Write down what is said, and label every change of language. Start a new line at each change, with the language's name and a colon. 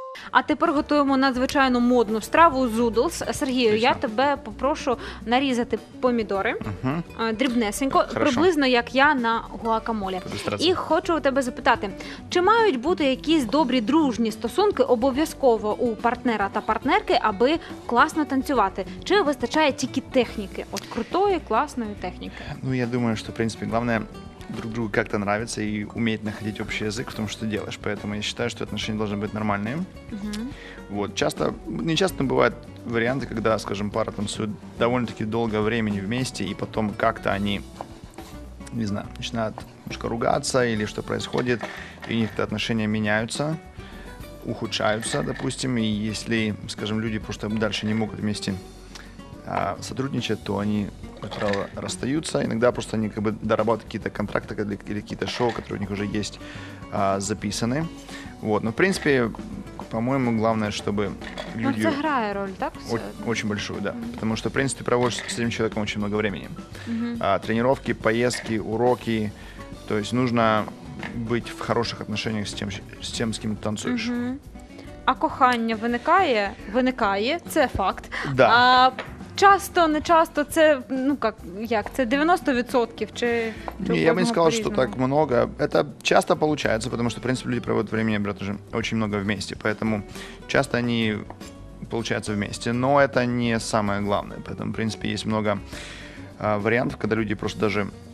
Ukrainian: А тепер готуємо надзвичайно модну страву – зудлс. Сергію, я тебе попрошу нарізати помідори, дрібнесенько, приблизно як я на гуакамолі. І хочу у тебе запитати, чи мають бути якісь добрі дружні стосунки обов'язково у партнера та партнерки, аби класно танцювати? Чи вистачає тільки техніки, от крутої, класної техніки?
Russian: Ну, я думаю,
Ukrainian: що, в принципі, головне
Russian: – друг другу как-то нравится и уметь находить общий язык в том, что ты делаешь. Поэтому я считаю, что отношения должны быть нормальные. Вот. Часто, не часто бывают варианты, когда, скажем, пара танцует довольно-таки долго времени вместе, и потом как-то они, не знаю, начинают немножко ругаться или что происходит, и у них-то отношения меняются, ухудшаются, допустим, и если, скажем, люди просто дальше не могут вместе сотрудничать, то они, как правило, расстаются. Иногда просто они как бы дорабатывают какие-то контракты или какие-то шоу, которые у них уже есть записаны. Вот. Но, в принципе, по-моему, главное, чтобы люди... Но это играет роль, так? Очень большую, да. Потому что, в принципе, ты проводишь с этим человеком очень много времени. Тренировки, поездки, уроки. То есть нужно быть в хороших отношениях с тем, с кем ты танцуешь.
Ukrainian: А кохання виникає? Виникає, це факт.
Russian: Да.
Ukrainian: Часто, не часто, це, ну, як, це 90% чи... Ні, я б не сказав, що так много. Це часто виходить, тому що, в принципі, люди проводять время, брат, вже дуже багато вместе. Поэтому часто вони виходять вместе, но це не
Russian: самое главное.
Ukrainian: Поэтому, в принципі, є много варіантів, коли люди просто даже...